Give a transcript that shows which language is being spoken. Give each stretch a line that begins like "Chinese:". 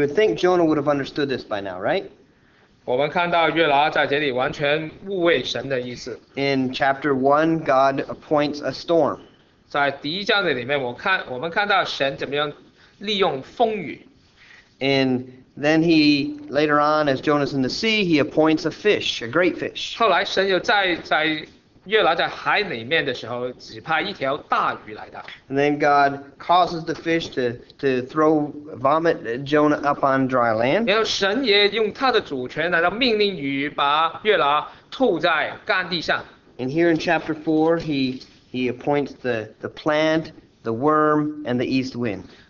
English: would think Jonah would have understood this by now, right?
Chinese: 我们看到约拿在这里完全误会神的意思。
English: In chapter 1, God appoints a storm.
Chinese: 在第一章的里面，我们看到神怎么样利用风雨。
English: And then he, later on, as Jonah's in the sea, he appoints a fish, a great fish.
Chinese: 后来神又在约拿在海里面的时候，指派一条大鱼来的。
English: And then God causes the fish to throw vomit Jonah up on dry land.
Chinese: 然后神也用他的主权来到命令鱼把约拿吐在干地上。
English: And here in chapter 4, he appoints the plant, the worm, and the east wind.